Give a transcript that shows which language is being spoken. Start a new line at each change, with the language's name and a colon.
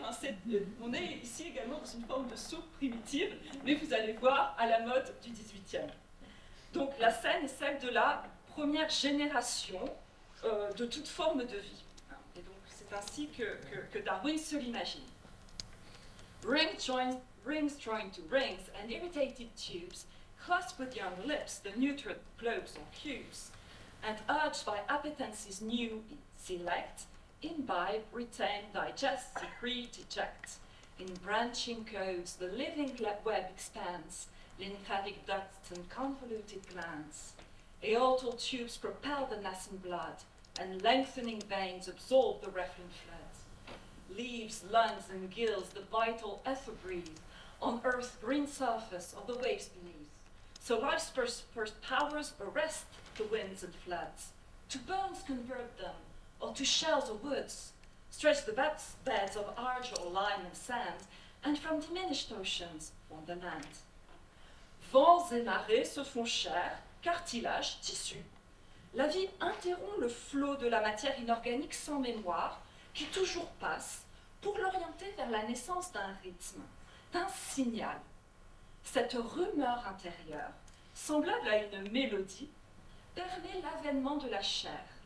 French: Hein, on est ici également dans une forme de soupe primitive, mais vous allez voir à la mode du 18e. Donc la scène est celle de la première génération de toute forme de vie. Hein, et donc c'est ainsi que Darwin se l'imagine.
English: Rings joined to rings and irritated tubes clasped with young lips, the neutered globes or cubes. And urged by appetences new, select, imbibe, retain, digest, secrete, eject. In branching codes, the living web expands, lymphatic ducts and convoluted glands. Aortal tubes propel the nascent blood, and lengthening veins absorb the refluent flood. Leaves, lungs, and gills, the vital ether breathe, on earth's green surface of the waves beneath. So life's first powers arrest the winds and floods, to bones convert them, or to shells or woods, stretch the beds of argil or lime and sand, and from diminished oceans form the land.
French: Vents et marées se font chair, cartilage, tissu. La vie interrompt le flot de la matière inorganique sans mémoire, qui toujours passe, pour l'orienter vers la naissance d'un rythme, d'un signal. Cette rumeur intérieure, semblable à une mélodie, permet l'avènement de la chair.